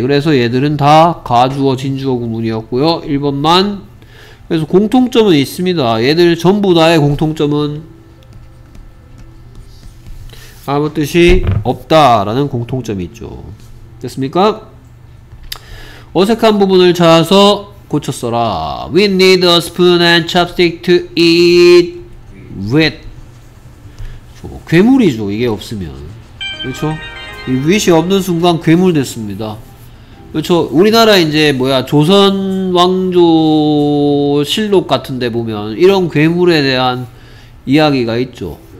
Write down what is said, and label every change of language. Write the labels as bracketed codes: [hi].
[ko] 그래서 얘들은 다 가주어, 진주어 구문이었고요. 1번만. 그래서 공통점은 있습니다. 얘들 전부 다의 공통점은 아무 뜻이 없다라는 공통점이 있죠. 됐습니까? 어색한 부분을 찾아서 고쳤어라. [en] We need a spoon and chopstick to eat with. [ko] 저, 괴물이죠, 이게 없으면. 그렇죠? 이 with이 없는 순간 괴물 됐습니다. 그렇죠? 우리나라 이제 뭐야, 조선 왕조 실록 같은 데 보면 이런 괴물에 대한 이야기가 있죠.